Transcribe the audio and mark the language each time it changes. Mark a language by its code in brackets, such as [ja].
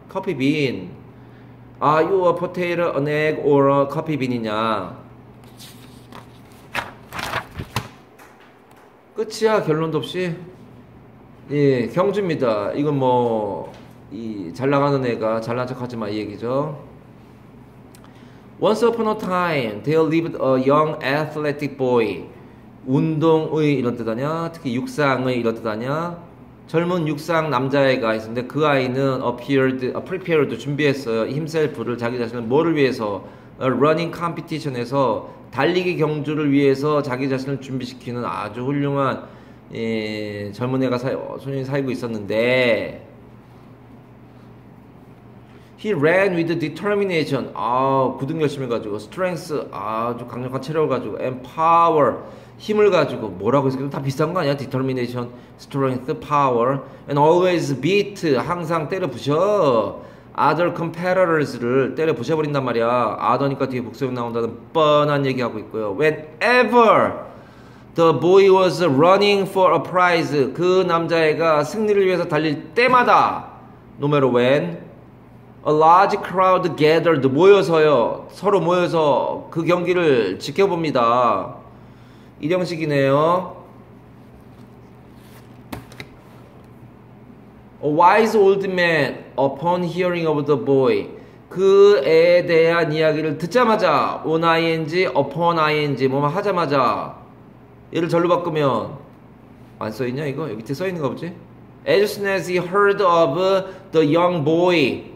[en] 커피빈, are you a potato, an egg, or a 커피빈이냐. [ko] 끝이야, 결론도 없이. 예, 경주입니다. 이건 뭐 이 잘나가는 애가 잘난 척하지 마 이 얘기죠. [en] Once upon a time, there lived a young athletic boy. [ko] 운동의 이런 뜻 아냐? 특히 육상의 이런 뜻 아냐? 젊은 육상 남자애가 있었는데 그 아이는 [en] prepared, [ko] 준비했어요. himself를, 자기 자신을, 뭐를 위해서? [en] running competition [ko] 에서, 달리기 경주를 위해서 자기 자신을 준비시키는 아주 훌륭한, 예, 젊은 애가 살고 있었는데, [en] he ran with determination. [ko] 아, 굳은 결심을 가지고, strength, 아주 강력한 체력을 가지고, [en] and power. [ko] 힘을 가지고, 뭐라고 했어요? 다 비슷한 거 아니야? [en] determination, strength, power, and always beat. [ko] 항상 때려 부셔. [en] other competitors [ko] 를 때려 부셔버린단 말이야. other니까 뒤에 복수형 나온다는 뻔한 얘기하고 있고요. [en] whenever the boy was running for a prize. [ko] 그 남자애가 승리를 위해서 달릴 때마다. [en] no matter when. A large crowd gathered. [ko] 모여서요. 서로 모여서 그 경기를 지켜봅니다. 일형식이네요. [en] A wise old man upon hearing of the boy. [ko] 그 애에 대한 이야기를 듣자마자. On ing, upon ing. 뭐만 하자마자. 얘를 절로 바꾸면. 안 써있냐 이거? 여기 밑에 써있는가 보지? [en] As soon as he heard of the young boy.